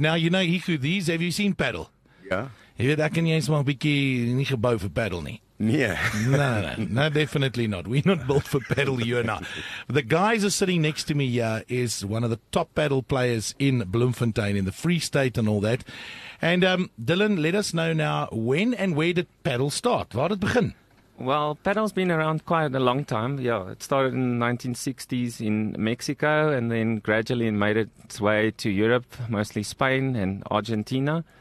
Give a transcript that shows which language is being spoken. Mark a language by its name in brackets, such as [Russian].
[English] Now, you know, Hiku, these, have you seen Paddle? [Afrikaans] Ja. Jy weet, ek en jy is maar 'n bietjie nie gebou vir Paddle nie. Nee. [English] No, definitely not. We're not built for paddle, you and I. The guys are sitting next to me here is one of the top paddle players in Bloemfontein, in the Free State and all that. And Dylan, let us know now, when and where did paddle start? [Afrikaans] Waar het begin? [English] Well, paddle's been around quite a long time. Yeah, it started in the 1960s in Mexico and then gradually made its way to Europe, mostly Spain and Argentina.